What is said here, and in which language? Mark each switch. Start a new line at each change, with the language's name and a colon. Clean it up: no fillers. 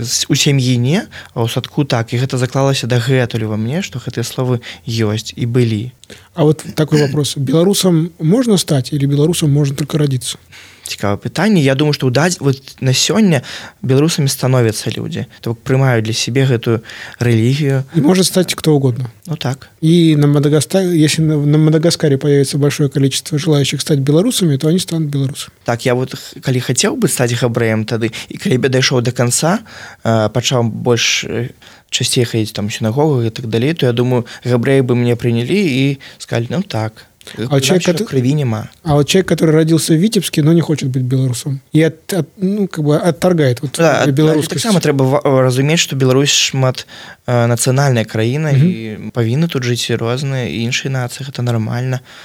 Belarusian: У сям'і не, а ў садку так. І гэта заклалася дагэтуль ва мне, што гэтыя словы ёсць і былі.
Russian: А вот такой вопрос.
Belarusian: Беларусам можна стаць или беларусам можна только радзіцца? Цікавае пытанне. Я думаю, што вот на сёння беларусамі становяцца людзі. То бок прымаюць для сябе гэтую рэлігію. І можа стаць хто угодна. Ну так. І на Мадагаскары,
Russian: если на Мадагаскаре появится большое количество желающих стать беларусами, то они станут беларусами.
Belarusian: Так, я вот калі хацеў бы стаць габрэем тады, і калі б дайшоў до канца, пачаў больш часцей хадзіць там у сінагогу і так далей, то я думаю, габрэі бы мне прынялі і сказалі, ну так.
Russian: А, вот человек, который родился в Витебске, но не хочет быть белорусом. И ну, как бы отторгает вот, да, белорусскость. Так само треба разуметь, что Беларусь шмат национальная краина, угу. И повинны тут жить разные, и иншие нации, это нормально.